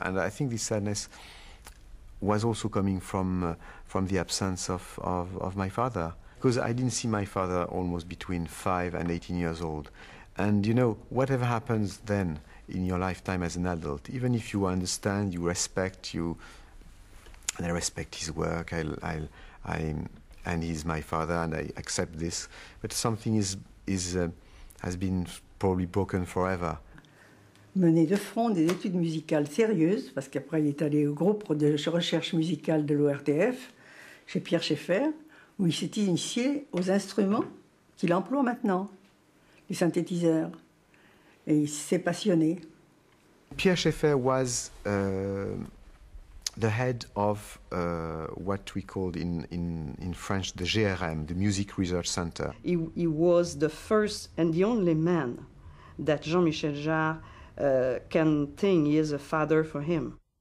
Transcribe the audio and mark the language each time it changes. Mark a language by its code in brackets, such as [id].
[en] And I think this sadness was also coming from the absence of my father, because I didn't see my father almost between 5 and 18 years old. And you know, whatever happens then in your lifetime as an adult, even if you understand, you respect, you, and I respect his work, and he's my father, and I accept this, but something has been probably broken forever. [fr] Mener de front des études musicales sérieuses, parce qu'après il est allé au groupe de recherche musicale de l'ORTF, chez Pierre Schaeffer, où il s'est initié aux instruments qu'il emploie maintenant, les synthétiseurs. Et il s'est passionné. [en] Pierre Schaeffer was the head of what we called in French the GRM, the Music Research Center. He was the first and the only man that Jean Michel Jarre can think he is a father for him.